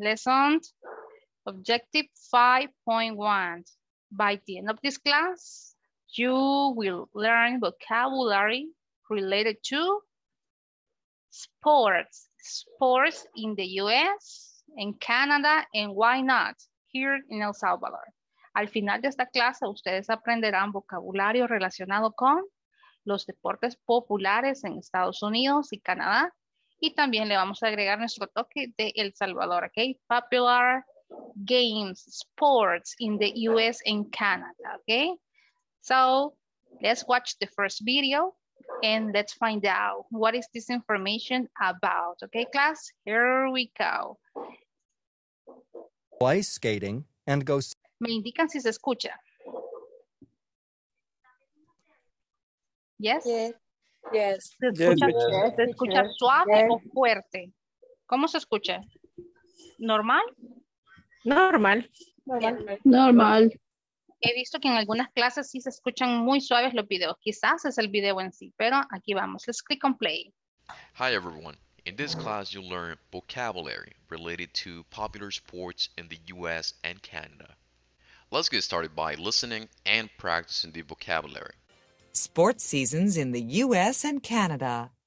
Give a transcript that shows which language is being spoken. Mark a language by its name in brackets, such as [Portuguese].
[English] Lesson objective 5.1. By the end of this class, you will learn vocabulary related to sports. Sports in the US, in Canada, and why not here in El Salvador. [Spanish] Al final de esta clase, ustedes aprenderán vocabulario relacionado con los deportes populares en Estados Unidos y Canadá. Y también le vamos a agregar nuestro toque de El Salvador, ¿ok? [English] Popular games, sports in the US and Canada, ¿ok? So, let's watch the first video and let's find out what is this information about, ¿ok, class? Here we go. Ice skating and go... [Spanish] Me indican si se escucha. [English] Yes? Yes. [Spanish] ¿Se escucha suave o fuerte? ¿Cómo se escucha? ¿Normal? Normal. Normal. He visto que en algunas clases sí se escuchan muy suaves los videos. Quizás es el video en sí, pero aquí vamos. [English] Let's click on play. Hi, everyone. In this class, you'll learn vocabulary related to popular sports in the US and Canada. Let's get started by listening and practicing the vocabulary. Sports seasons in the US and Canada.